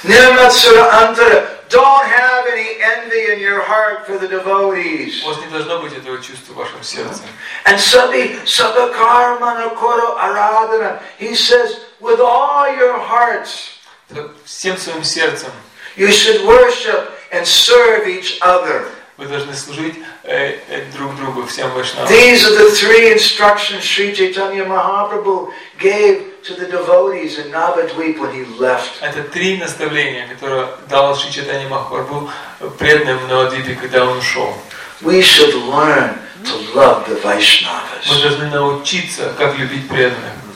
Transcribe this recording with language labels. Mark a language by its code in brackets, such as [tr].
[bn] Nirmatsara antara, [en] don't have any envy in your heart for the devotees. [ru] У вас не должно быть этого чувства в вашем сердце. [en] And [bn] sadhi sadhakarmana koro aradhana, [en] he says, with all your hearts, [ru] всем своим сердцем, [en] you should worship and serve each other. [ru] Вы должны служить друг другу, всем вайшнавам. [en] These are the three instructions Sri Chaitanya Mahaprabhu gave to the devotees in Navadvipa when he left. [ru] Это три наставления, которые дал Шри Чайтанья Махапрабху преданным в Навадвипе, когда он ушел. [en] We should learn to love the Vaishnavas. [ru] Мы должны научиться, как любить преданных.